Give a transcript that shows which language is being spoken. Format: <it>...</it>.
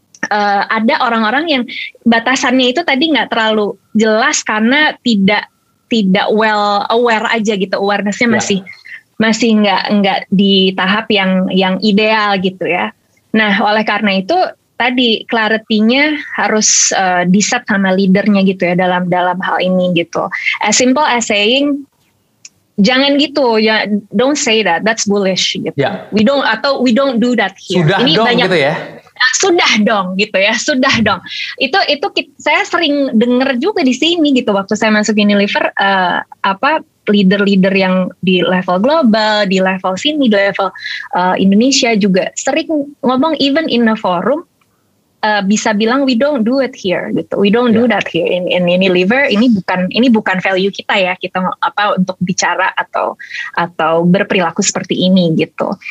<id>ada orang-orang yang batasannya itu tadi nggak terlalu jelas karena tidak</id> <en>well aware</en> <id>aja gitu, awarenessnya masih masih nggak di tahap yang ideal gitu ya. Nah, oleh karena itu tadi clarity-nya harus di-set sama leadernya gitu ya dalam hal ini gitu.</id> <en>As simple as saying,</en> <id>jangan gitu ya,</id> <en>don't say that, that's bullish gitu. Yeah. We don't do that here.</en> <id>Sudah ini dong banyak, gitu ya. Sudah dong gitu ya, sudah dong. Itu saya sering dengar juga di sini gitu waktu saya masuk Unilever, leader-leader yang di level global, di level sini, di level Indonesia juga sering ngomong,</id> <en>even in a forum</en> <id>bisa bilang</id> <en>we don't do it here</en> <id>gitu.</id> <en>We don't do that here in Unilever.</en> <id>Ini bukan value kita ya, kita apa untuk bicara atau berperilaku seperti ini gitu.</id>